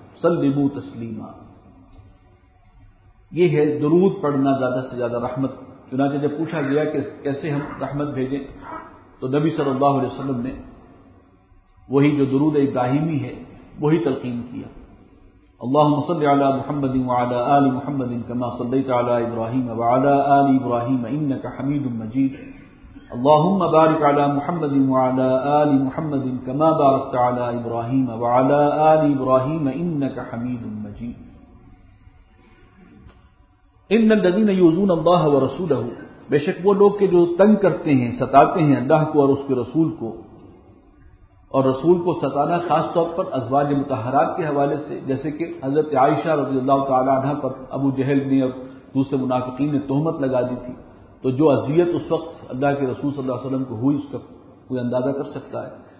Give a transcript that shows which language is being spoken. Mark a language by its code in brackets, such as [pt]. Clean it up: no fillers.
[ar] سلموا تسلیما, [ur] یہ ہے درود پڑھنا زیادہ سے زیادہ رحمت. چنانچہ جب پوچھا گیا کہ کیسے ہم رحمت بھیجیں تو نبی صلی اللہ علیہ وسلم نے وہی جو درود ابراہیمی ہے وہی تلقین کیا. [ar] اللهم صل على محمد وعلى آل محمد كما صليت على إبراهيم وعلى آل إبراهيم إنك حميد مجيد. اللهم بارك على محمد وعلى آل محمد كما باركت على إبراهيم وعلى آل إبراهيم إنك حميد مجيد. إن الذين يؤذون الله ورسوله, [ur] بے شک وہ لوگ کے جو تنگ کرتے ہیں, ستاتے ہیں اللہ کو اور اس کے رسول کو, اور رسول کو ستانا خاص طور پر ازواج مطہرات کے حوالے سے, جیسے کہ حضرت عائشہ رضی اللہ تعالیٰ عنہ پر ابو جہل نے اور دوسرے منافقین نے تہمت لگا دی تھی, تو جو اذیت اس وقت اللہ کے رسول صلی اللہ علیہ وسلم کو ہوئی اس کا کوئی اندازہ کر سکتا ہے.